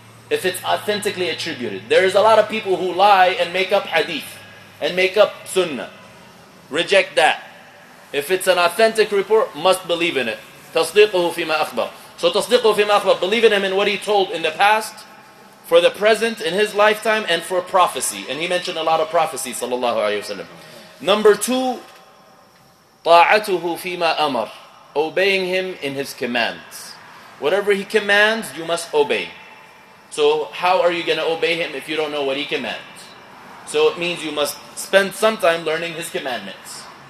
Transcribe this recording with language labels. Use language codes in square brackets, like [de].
[en] If it's authentically attributed. There is a lot of people who lie and make up hadith and make up sunnah. Reject that. If it's an authentic report, must believe in it. [ar] تصديقه فيما أخبر. [en] So [ar] تصديقه فيما أخبر, [en] believe in him in what he told in the past, for the present, in his lifetime, and for prophecy. And he mentioned a lot of prophecy, sallallahu alayhi wa sallam. Number two, [ar] طاعته فيما أمر. [en] Obeying him in his commands. Whatever he commands, you must obey. So how are you going to obey him if you don't know what he commands? So it means you must spend some time learning his commandments.